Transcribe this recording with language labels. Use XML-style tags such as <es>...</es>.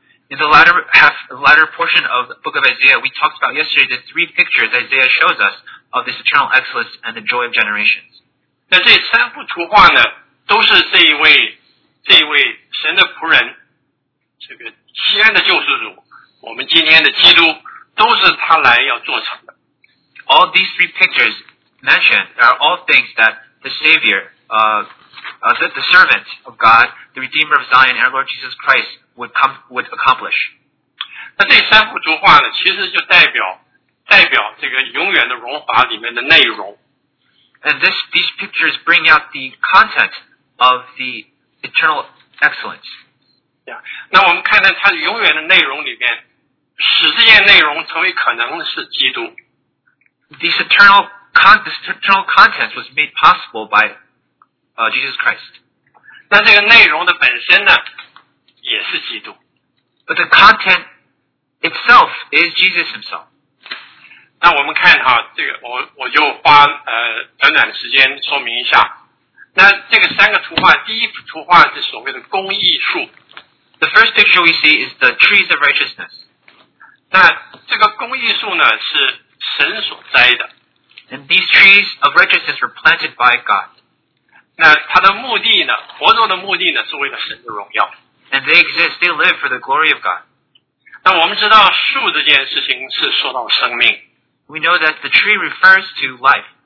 <en>In the latter half, the latter portion of the book of Isaiah, we talked about yesterday the three pictures Isaiah shows us of this eternal excellence and the joy of generations.</en> <zh>那这三幅图画呢，都是这一位神的仆人，这个西安的救世主，我们今天的基督。都是他来要做成的。</zh> <en>All these three pictures mentioned are all things that the Savior, the servant of God, the Redeemer of Zion, our Lord Jesus Christ would accomplish.</en> <zh>那这三幅图画呢，其实就代表这个永远的荣华里面的内容。</zh> <en>And these pictures bring out the content of the eternal excellence. Yeah.</en> <zh>那我们看到它永远的内容里面。使这件内容成为可能是基督。</zh> <en>This eternal content was made possible by Jesus Christ.</en> <zh>那这个内容的本身呢，也是基督。</zh> <en>But the content itself is Jesus himself.</en> <zh>那我们看哈，这个我就花短短的时间说明一下。那这个三个图画，第一幅图画是所谓的公义树。</zh> <en>The first picture we see is the trees of righteousness.</en> <zh>那这个公义树呢，是神所栽的。</zh> <en>And these trees of righteousness were planted by God.</en> <zh>那它的目的呢，活着的目的呢，是为了神的荣耀。</zh> <en>And they exist, they live for the glory of God.</en> <zh>那我们知道树这件事情是说到生命。</zh> <en>We know that the tree refers to life.</en>